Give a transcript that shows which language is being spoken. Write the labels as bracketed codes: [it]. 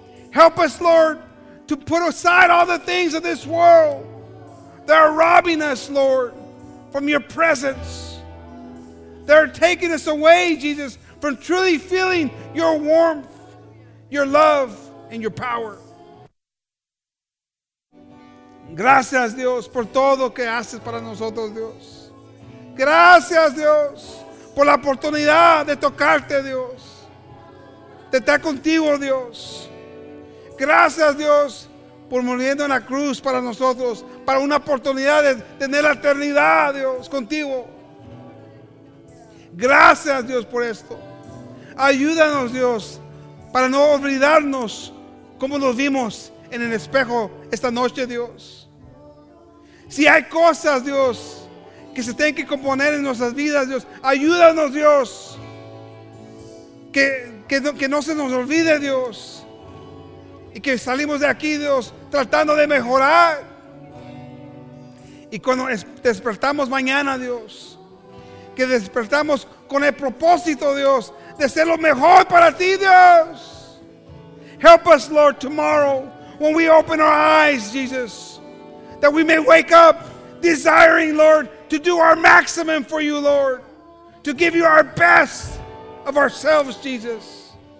[en] Help us, Lord, to put aside all the things of this world that are robbing us, Lord, from your presence. They're taking us away, Jesus, from truly feeling your warmth, your love, and your power. [es] Gracias, Dios, por todo que haces para nosotros, Dios. Gracias, Dios, por la oportunidad de tocarte, Dios. De estar contigo, Dios. Gracias, Dios, por muriendo en la cruz para nosotros, para una oportunidad de tener la eternidad, Dios, contigo. Gracias, Dios, por esto. Ayúdanos, Dios, para no olvidarnos cómo nos vimos en el espejo esta noche, Dios. Si hay cosas, Dios, que se tienen que componer en nuestras vidas, Dios, ayúdanos, Dios, que no se nos olvide, Dios, y que salimos de aquí, Dios, tratando de mejorar. Y cuando despertamos mañana, Dios, que despertamos con el propósito, Dios, de ser lo mejor para ti, Dios. [en] Help us, Lord, tomorrow when we open our eyes, Jesus, that we may wake up desiring, Lord, to do our maximum for you, Lord, to give you our best of ourselves, Jesus.